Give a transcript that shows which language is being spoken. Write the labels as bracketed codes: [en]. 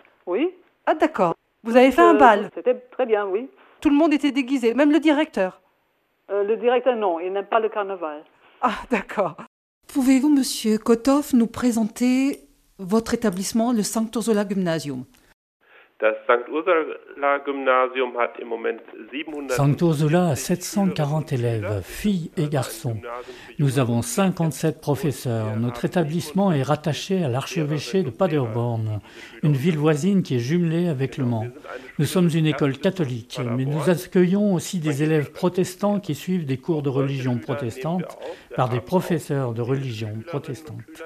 [fr] Oui. Ah d'accord. Vous avez fait un bal. C'était très bien, oui. Tout le monde était déguisé, même le directeur. Le directeur, non, il n'aime pas le carnaval. Ah d'accord. Pouvez-vous, Monsieur Kotoff, nous présenter votre établissement, le St. Ursula Gymnasium? [de] Das St. Ursula Gymnasium hat im Moment 700. [fr] St. Ursula a 740 élèves, filles et garçons. Nous avons 57 professeurs. Notre établissement est rattaché à l'archevêché de Paderborn, une ville voisine qui est jumelée avec Le Mans. Nous sommes une école catholique, mais nous accueillons aussi des élèves protestants qui suivent des cours de religion protestante par des professeurs de religion protestante.